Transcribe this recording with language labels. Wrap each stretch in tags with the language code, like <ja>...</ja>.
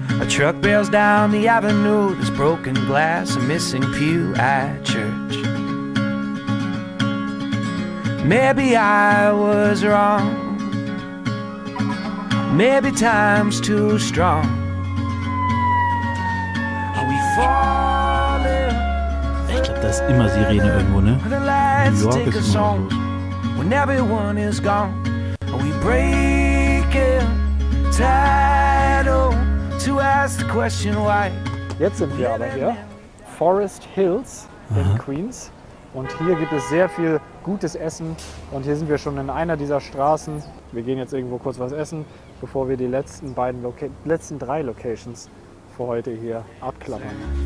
<en>Truck bails down the avenue, there's broken glass, a missing pew at church. Maybe I was wrong, maybe time's too strong. Are we falling?</en> <de>Ich glaube, da ist immer Sirene irgendwo, ne? New York ist immer so.</de> <en>When everyone is gone, are we breaking tidal? to ask the question why.</en> <de>Jetzt sind wir aber hier, Forest Hills in Queens. Und hier gibt es sehr viel gutes Essen. Und hier sind wir schon in einer dieser Straßen. Wir gehen jetzt irgendwo kurz was essen, bevor wir die letzten drei Locations für heute hier abklappern.</de>